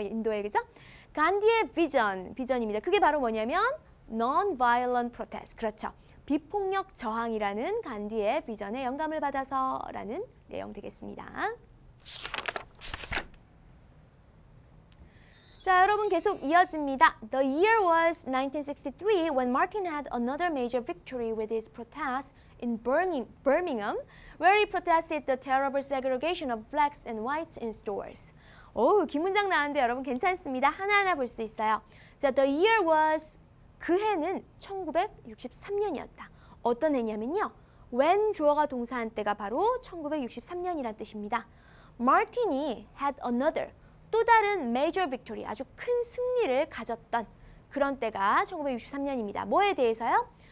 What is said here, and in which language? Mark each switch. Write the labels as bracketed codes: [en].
[ko] 인도에 그죠? 간디의 비전입니다. 그게 바로 뭐냐면 [en] Non-violent protest. [ko] 그렇죠. 비폭력 저항이라는 간디의 비전에 영감을 받아서 라는 내용 되겠습니다. 자, 여러분 계속 이어집니다. [en] The year was 1963 when Martin had another major victory with his protest in Birmingham where he protested the terrible segregation of blacks and whites in stores. [ko] 오, 긴 문장 나왔는데 여러분 괜찮습니다. 하나하나 볼 수 있어요. 자, [en] the year was, [ko] 그 해는 1963년이었다. 어떤 해냐면요. When 주어가 동사한 때가 바로 1963년이란 뜻입니다. Martin이 [en] had another [ko] 또 다른 [en] major victory, [ko] 아주 큰 승리를 가졌던 그런 때가 1963년입니다. 뭐에 대해서요?